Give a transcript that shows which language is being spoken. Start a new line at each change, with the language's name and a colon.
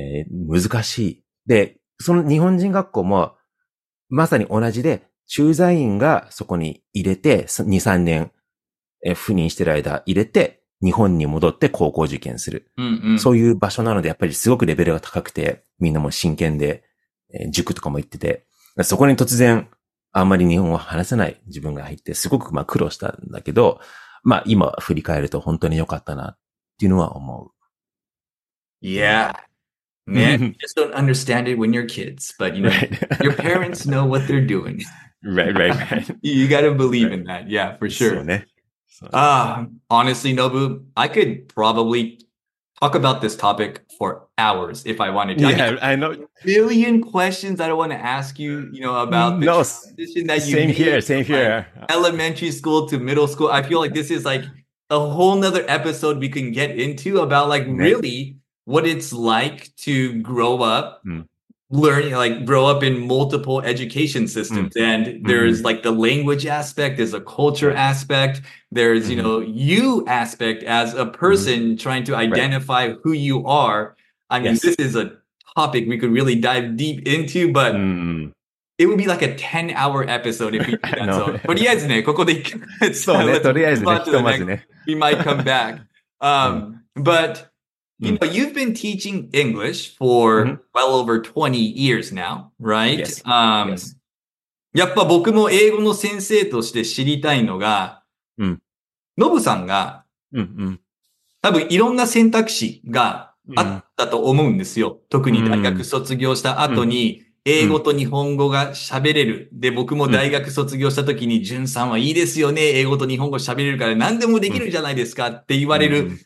Japanese: 難しい。で、その日本人学校も、まさに同じで、 駐在員がそこに入れて、2、3年赴任してる間入れて、日本に戻って高校受験する。そういう場所なので、やっぱりすごくレベルが高くて、みんなも真剣で、塾とかも行ってて、そこに突然あんまり日本は話せない自分が入って、すごくまあ苦労したんだけど、まあ今振り返ると本当に良かったなっていうのは思う。
English: Yeah. Man, you just don't understand it when you're kids, but you know, your parents know what they're doing. Right. You got to believe in that. Yeah, for sure. Honestly, Nobu, I could probably talk about this topic for hours if I wanted to. Yeah, I know. A billion questions I don't want to ask you, you know, about the transition that you made. Same here. Elementary school to middle school. I feel like this is like a whole nother episode we can get into about like really what it's like to grow up. Learning, like grow up in multiple education systems. And there's like the language aspect, there's a culture aspect, there's, you know, you aspect as a person trying to identify who you are. I mean, this is a topic we could really dive deep into, but it would be like a 10-hour episode if we did that.
Japanese: とりあえずね、ここで行く。そうね、とりあえずね、ひとまずね。
English: We might come back. But... You know, you've been teaching English for well over 20 years now, right?
Japanese: やっぱ僕も英語の先生として知りたいのが、ノブさんが多分いろんな選択肢があったと思うんですよ。特に大学卒業した後に英語と日本語が喋れる。で、僕も大学卒業した時に、ジュンさんはいいですよね。英語と日本語喋れるから何でもできるじゃないですかって言われる